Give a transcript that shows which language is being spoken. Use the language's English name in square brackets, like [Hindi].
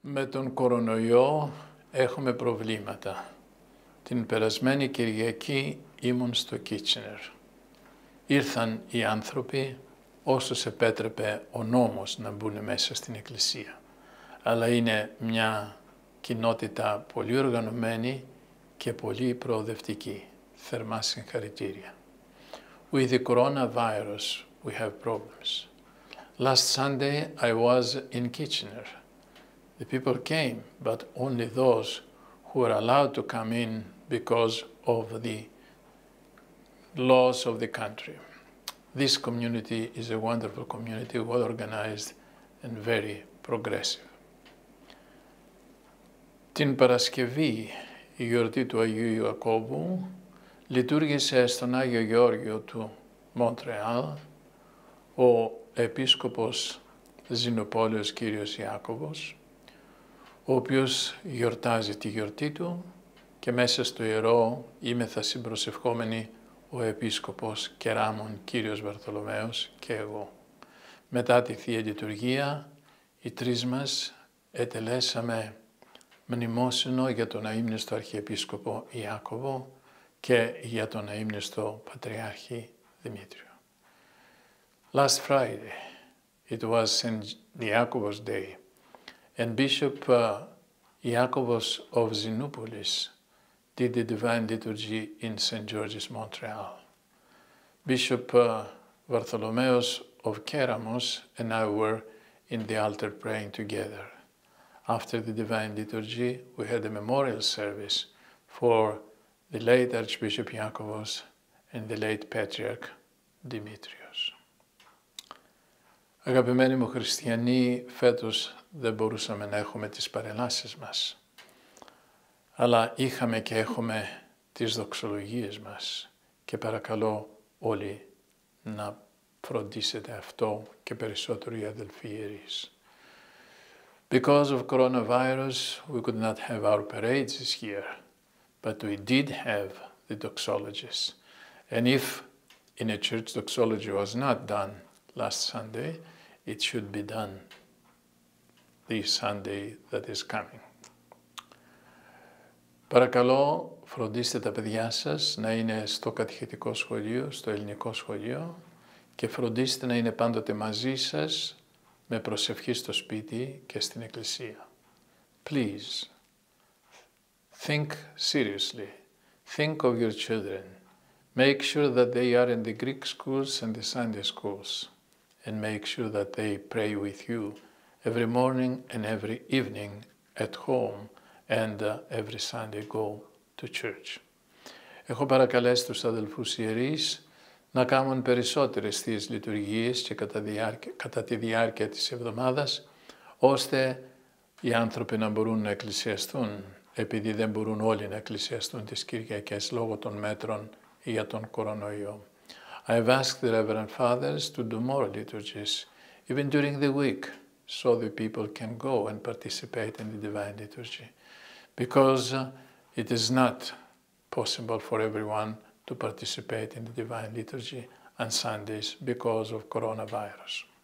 [Greek] Τον κορονοϊό έχουμε προβλήματα. Την περασμένη Κυριακή ήμουν στο Kitchener. Ήρθαν οι άνθρωποι όσους επέτρεπε ο νόμος να μπουν μέσα στην εκκλησία. Αλλά είναι μια κοινότητα πολύ οργανωμένη και πολύ προοδευτική. Θερμά συγχαρητήρια. [English] With the coronavirus we have problems. Last Sunday I was in Kitchener. The people came, but only those who were allowed to come in because of the laws of the country. This community is a wonderful community, well organized and very progressive. [Greek] Την Παρασκευή, η γιορτή του Αγίου Ιακώβου, λειτουργήσε στον Άγιο Γεώργιο του Μοντρεάλ ο επίσκοπος Ζινοπόλεως κύριος Ιάκωβος, ο οποίος γιορτάζει τη γιορτή του και μέσα στο ιερό είμεθα συμπροσευχόμενοι ο επίσκοπος Κεράμων κύριος Βαρθολομαίος και εγώ. Μετά τη Θεία Λειτουργία οι τρεις μας ετελέσαμε μνημόσυνο για τον αείμνηστο Αρχιεπίσκοπο Ιάκωβο και για τον αείμνηστο Πατριάρχη Δημήτριο. [English] Last Friday, it was St. Iacobos Day, and Bishop Iacobos of Zinoupolis did the Divine Liturgy in St. George's, Montreal. Bishop Bartholomeos of Keramos and I were in the altar praying together. After the Divine Liturgy, we had a memorial service for the late Archbishop Iacobos and the late Patriarch Demetrios. [Greek] Αγαπημένοι μου χριστιανοί, φέτος δεν μπορούσαμε να έχουμε τις παρελάσεις μας, αλλά είχαμε και έχουμε τις δοξολογίες μας και παρακαλώ όλοι να φροντίσετε αυτό και περισσότερο οι αδελφοί ιερείς. [English] Because of coronavirus, we could not have our parades here, but we did have the doxologies. And if in a church doxology was not done last Sunday, it should be done this Sunday that is coming. [Greek] Παρακαλώ, φροντίστε τα παιδιά σας να είναι στο κατηχητικό σχολείο, στο ελληνικό σχολείο, και φροντίστε να είναι πάντοτε μαζί σας με προσευχή στο σπίτι και στην εκκλησία. [English] Please, think seriously. Think of your children. Make sure that they are in the Greek schools and the Sunday schools. And make sure that they pray with you every morning and every evening at home and every Sunday go to church. [Greek] Έχω παρακαλέσει τους αδελφούς ιερείς να κάνουν περισσότερες θείες λειτουργίες και κατά τη διάρκεια της εβδομάδας, ώστε οι άνθρωποι να μπορούν να εκκλησιαστούν, επειδή δεν μπορούν όλοι να εκκλησιαστούν τις Κυριακές λόγω των μέτρων για τον κορονοϊό. [English] I have asked the Reverend Fathers to do more liturgies, even during the week, so the people can go and participate in the Divine Liturgy, because it is not possible for everyone to participate in the Divine Liturgy on Sundays because of coronavirus.